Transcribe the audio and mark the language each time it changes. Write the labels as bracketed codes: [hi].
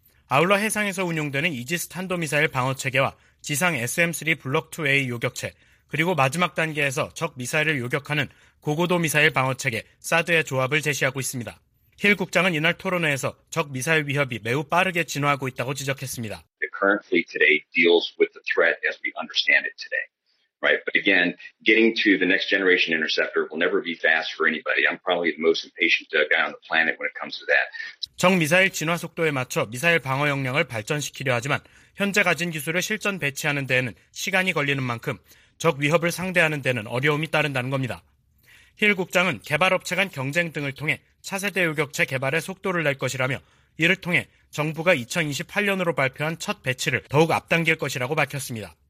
[ko] 아울러 해상에서 운용되는 이지스 탄도미사일 방어체계와 지상 SM-3 블록2A 요격체, 그리고 마지막 단계에서 적 미사일을 요격하는 고고도 미사일 방어체계 사드의 조합을 제시하고 있습니다. 힐 국장은 이날 토론회에서 적 미사일 위협이 매우 빠르게 진화하고 있다고 지적했습니다. [en] Current fleet today deals with the threat as we understand it today, right? But again, getting to the next generation interceptor will never be fast for anybody. I'm probably the most impatient guy on the planet when it comes to that. [ko] 적 미사일 진화 속도에 맞춰 미사일 방어 역량을 발전시키려 하지만 현재 가진 기술을 실전 배치하는 데에는 시간이 걸리는 만큼 적 위협을 상대하는 데는 어려움이 따른다는 겁니다. 힐 국장은 개발 업체 간 경쟁 등을 통해 차세대 요격체 개발에 속도를 낼 것이라며 이를 통해 정부가 2028년으로 발표한 첫 배치를 더욱 앞당길 것이라고 밝혔습니다.